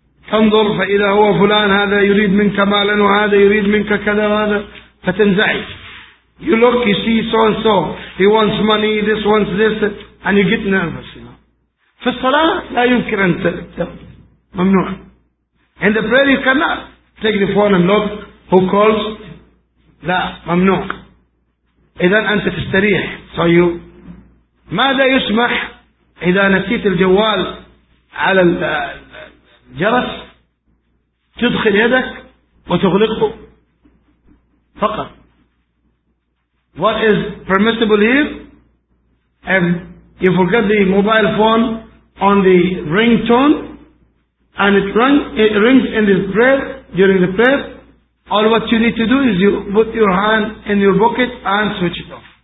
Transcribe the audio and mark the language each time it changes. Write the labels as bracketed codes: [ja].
[ar] تنظر فإذا هو فلان هذا يريد منك مالا وهذا يريد منك كذا وهذا فتنزعي [en] you look you see so and so he wants money this wants this and you get nervous [ar] في الصلاة لا يمكن أن ممنوع. [en] In the prayer you cannot take the phone and look who calls. [ar] لا ممنوع. إذا أنت تستريح. So you ماذا يسمح إذا نسيت الجوال على الجرس تدخل يدك وتغلقه فقط. [en] What is permissible here? If you forget the mobile phone on the ringtone and it rings in this prayer during the prayer, all what you need to do is you put your hand in your pocket and switch it off.